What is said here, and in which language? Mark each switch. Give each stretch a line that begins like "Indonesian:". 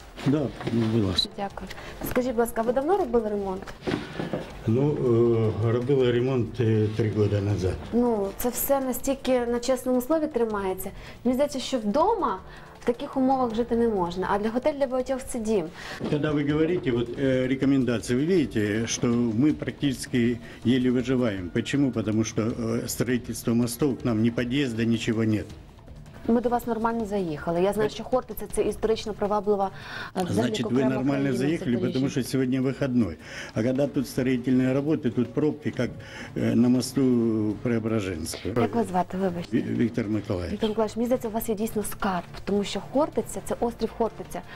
Ukrainian: Да, будь ласка. Дякую. Скажіть, будь ласка, ви давно робили ремонт? Ну, робили ремонт 3 роки назад. Ну, це все настільки на чесному слові тримається. Мені здається, що вдома таких умовах жити не можна. А для готель для багатьох це дім.
Russian: Когда вы говорите вот рекомендации, вы видите, что мы практически еле выживаем. Почему? Потому что строительство мостов, к нам ни подъезда, ничего нет.
Ukrainian: Ми до вас нормально заїхали. Я знаю, що Хортиця – це історично приваблива. Значить, ви нормально заїхали, тому що сьогодні вихідний. А коли тут будівельні роботи, тут пробки, як на мосту Преображенського. Як вас звати, вибачте? Віктор Миколаївич. Віктор Миколаївич, мені здається, у вас є дійсно скарб, тому що Хортиця – це острів Хортиця.